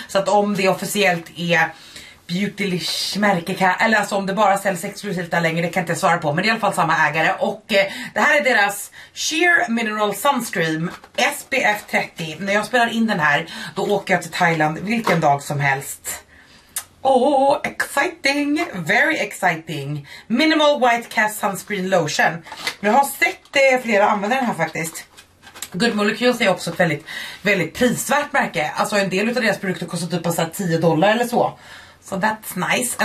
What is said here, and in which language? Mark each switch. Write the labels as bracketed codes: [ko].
[sv] Så att om det officiellt är Beautylish märke eller alltså om det bara säljs exklusivt där längre, det kan jag inte svara på, men det är i alla fall samma ägare. Och det här är deras Sheer Mineral Sunscreen SPF 30. När jag spelar in den här, då åker jag till Thailand vilken dag som helst. [en] Oh, exciting, very exciting. Minimal White Cast Sunscreen Lotion. [sv] Jag har sett flera använda den här faktiskt. Good Molecules är också ett väldigt, väldigt prisvärt märke. Alltså en del av deras produkter kostar typ bara $10 eller så. [en] So that's nice.